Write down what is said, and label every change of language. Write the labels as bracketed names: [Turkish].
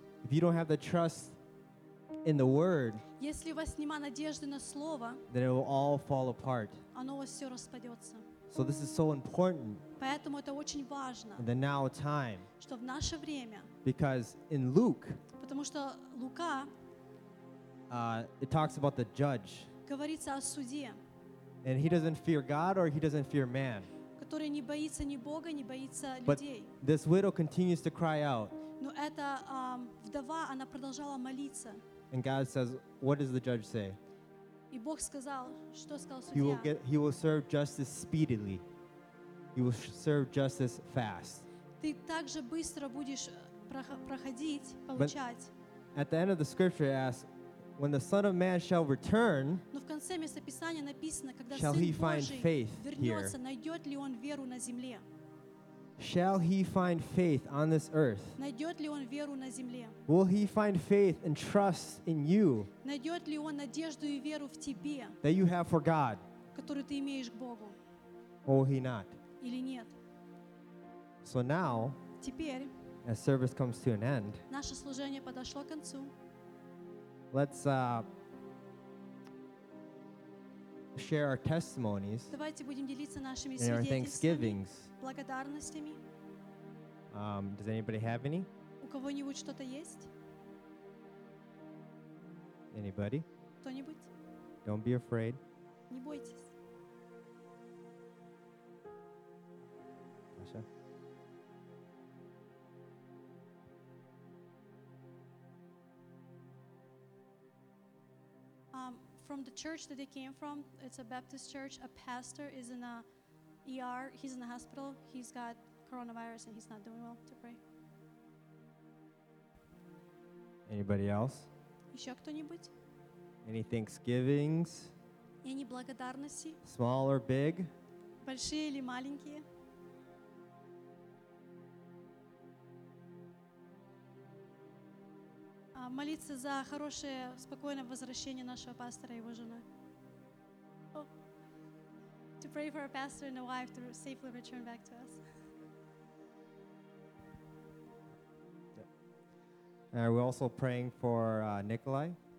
[English] If you don't have the trust in the word, [Russian] если у вас нема надежды на слово, [English] then it will all fall apart. [Russian] Оно у вас все распадется. [English] So this is so important. [Russian] Поэтому это очень важно. [English] In the now time. [Russian] Что в наше время. [English] Because in Luke. [Russian] Потому что Лука. [English] It talks about the judge. [Russian] Говорится о суде. [English] And he doesn't fear God or he doesn't fear man. [Russian] Который не боится ни Бога, не боится [English] but [Russian] людей. [English] But this widow continues to cry out. [Russian] Но эта вдова, она продолжала молиться. [English] And God says, what does the judge say? [Russian] И Бог сказал, что сказал судья? [English] He will serve justice speedily. He will serve justice fast. [Russian] Ты так же быстро будешь проходить, получать. [English] At the end of the scripture it asks, when the Son of Man shall return, [Russian] но в конце места Писания написано, когда [English] shall [Russian] Сын [English] he [Russian] Божий [English] find faith [Russian] вернется, [English] here? [Russian] Найдет ли он веру на земле? [English] Shall he find faith on this earth? [Russian] Найдет ли он веру на земле? [English] Will he find faith and trust in you? [Russian] Найдет ли он надежду и веру в тебе? [English] That you have for God? [Russian] Которую ты имеешь к Богу? [English] Or will he not? [Russian] Или нет? [English] So now, [Russian] теперь, [English] as service comes to an end, [Russian] наше служение подошло к концу. [English] Let's share our testimonies. [Russian] Давайте будем делиться нашими [English] свидетельствами. And our thanksgivings. [Russian] Благодарностями. [English] Does anybody have any? [Russian] У кого-нибудь что-то есть? [English] Anybody? [Russian] Кто-нибудь? [English] Don't be afraid. [Russian] Не бойтесь. молимся. [English] From the church that he came from, it's a Baptist church. A pastor is in a ER. He's in the hospital. He's got coronavirus and he's not doing well. To pray. Anybody else? [Russian] Еще кто-нибудь? [English] Any thanksgivings? Any благодарности? Small or big? [Russian] Большие или маленькие? Молиться за хорошее, спокойное возвращение нашего пастора и его жены. [English] To pray for our pastor and a wife to safely return back to us. And we're also praying for Nikolai.